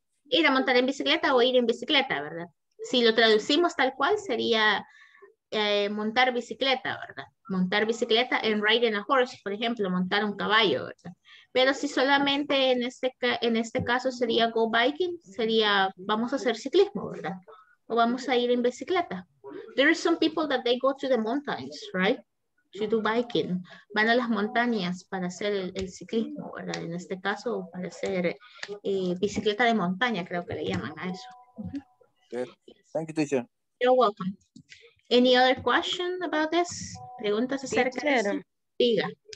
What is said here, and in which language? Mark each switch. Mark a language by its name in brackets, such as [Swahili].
[Spanish] Ir a montar en bicicleta o ir en bicicleta, ¿verdad? Si lo traducimos tal cual sería montar bicicleta, ¿verdad? Montar bicicleta en [English] riding a horse, [Spanish] por ejemplo, montar un caballo, ¿verdad? Pero si solamente en este caso sería [English] go biking, [Spanish] sería vamos a hacer ciclismo, ¿verdad? O vamos a ir en bicicleta. [English] There are some people that they go to the mountains, right? To do biking. [Spanish] Van a las montañas para hacer el ciclismo, ¿verdad? En este caso, para hacer bicicleta de montaña, creo que le llaman a eso. [English] Thank you, teacher. You're welcome. Any other question about this? [Spanish] ¿Preguntas acerca de eso? Diga.